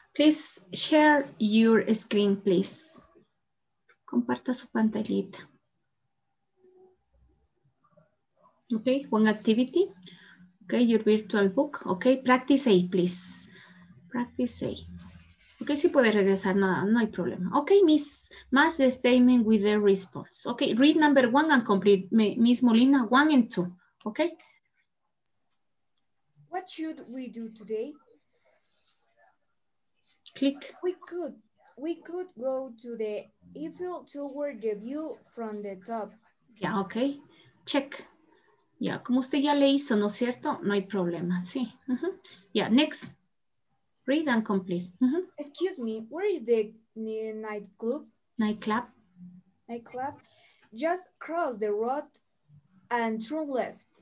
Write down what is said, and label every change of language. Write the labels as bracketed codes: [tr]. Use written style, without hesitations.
[en] Please share your screen, please. [es] Comparta su pantallita. [en] Ok, one activity. Okay, your virtual book. Okay, practice A, please. Practice A. [es] Ok, sí puede regresar, no, no hay problema. [en] Ok, Miss, más the statement with the response. Ok, read number one and complete, Miss Molina, one and two. Ok. What should we do today? Click. We could go to the Eiffel Tower the view from the top. Yeah, ok. Check. [es] Ya, como usted ya le hizo, ¿no es cierto? No hay problema, sí. [en] Yeah, next. Read and complete. Excuse me, where is the nightclub? Nightclub. Nightclub. Just cross the road and turn left.